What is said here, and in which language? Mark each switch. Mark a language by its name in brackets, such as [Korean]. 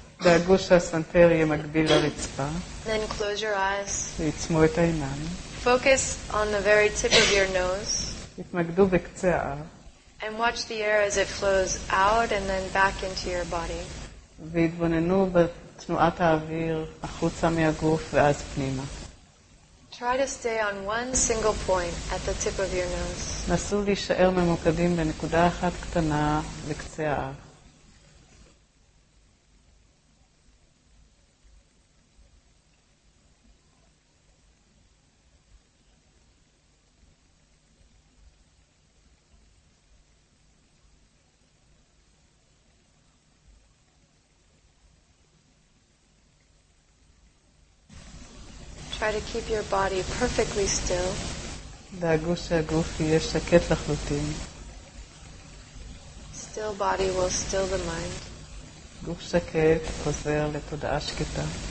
[Hebrew] דאגו שהסנטר יהיה מקביל לרצפה. [English] Then close your eyes. [Hebrew] ועצמו את העיניים. [English] Focus on the very tip of your nose. [Hebrew] התמקדו בקצה האף. [English] And watch the air as it flows out and then back into your body. [Hebrew] והתבוננו בתנועת האוויר החוצה מהגוף ואז פנימה. [English] Try to stay on one single point at the tip of your nose. [Hebrew] נסו להישאר ממוקדים בנקודה אחת קטנה בקצה האף. [English] Try to keep your body perfectly still. [Hebrew] דאגו שהגוף יהיה שקט לחלוטין. [English] Still body will still the mind. [Hebrew] גוף שקט חוזר לתודעה שקטה.